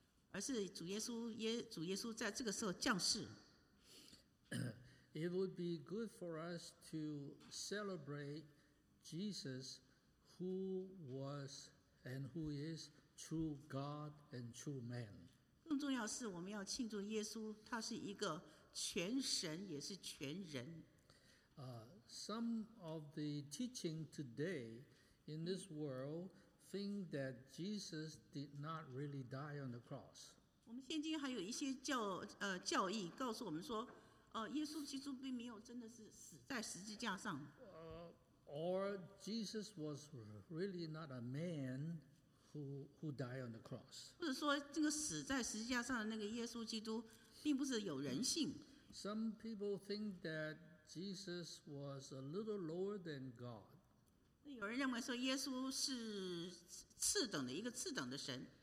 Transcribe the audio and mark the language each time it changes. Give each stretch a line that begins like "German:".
Chinese: 而是主耶稣在这个时候降世。
English: It would be good for us to celebrate Jesus who was and who is true God and true man.
Chinese: 更重要是我们要庆祝耶稣他是一个全神也是全人。
English: Some of the teaching today in this world think that Jesus did not really die on the cross.
Chinese: 我们现今还有一些教义告诉我们说耶稣基督并没有真的是死在十字架上。
English: Or Jesus was really not a man. Who died on the cross?
Chinese: 或者说，这个死在十字架上的那个耶稣基督，并不是有人性。
English: Some people think that Jesus was a little lower than God.
Chinese: 有人认为说耶稣是次等的一个次等的神。